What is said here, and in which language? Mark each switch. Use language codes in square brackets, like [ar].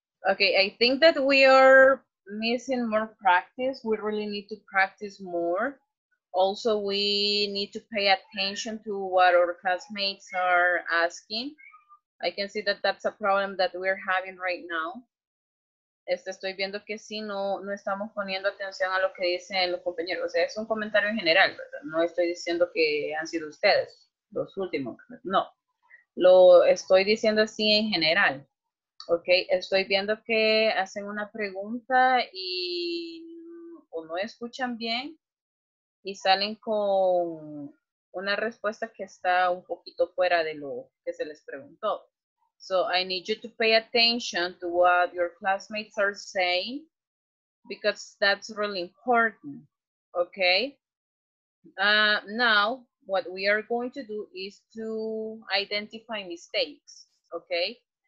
[en] Okay, I think that we are missing more practice. We really need to practice more. Also, we need to pay attention to what our classmates are asking. I can see that that's a problem that we're having right now. [es] Estoy viendo que sí, no estamos poniendo atención a lo que dicen los compañeros. O sea, es un comentario en general, ¿verdad? No estoy diciendo que han sido ustedes los últimos. No, lo estoy diciendo así en general. Okay, estoy viendo que hacen una pregunta y o no escuchan bien y salen con una respuesta que está un poquito fuera de lo que se les preguntó. [en] So I need you to pay attention to what your classmates are saying because that's really important. Okay, now what we are going to do is to identify mistakes. Okay.